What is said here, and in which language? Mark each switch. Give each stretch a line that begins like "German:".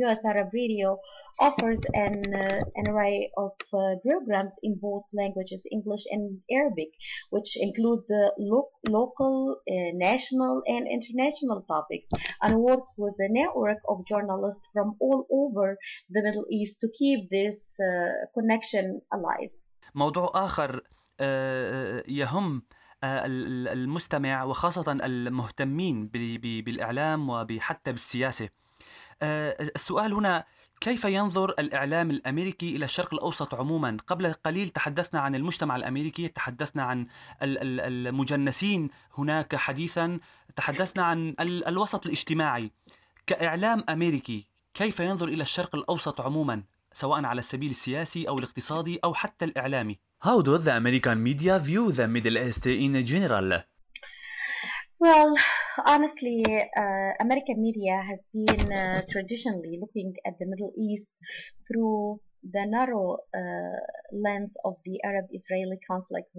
English: US Arab Radio offers an array of programs in both languages, English and Arabic, which include the local, national, and international topics, and works with a network of journalists from all over the Middle East to keep this connection alive.
Arabic: موضوع آخر يهم المستمع وخاصة المهتمين بالإعلام وحتى بالسياسة. السؤال هنا: كيف ينظر الإعلام الأمريكي إلى الشرق الأوسط عموما؟ قبل قليل تحدثنا عن المجتمع الأمريكي، تحدثنا عن المجنسين هناك حديثا، تحدثنا عن الوسط الاجتماعي. كإعلام أمريكي كيف ينظر إلى الشرق الأوسط عموما؟ سواء على السبيل السياسي أو الاقتصادي أو حتى الإعلامي.
English: How does the American media view the Middle East in general? Well, honestly, American media has been traditionally looking at the Middle East through the narrow lens of the Arab-Israeli conflict.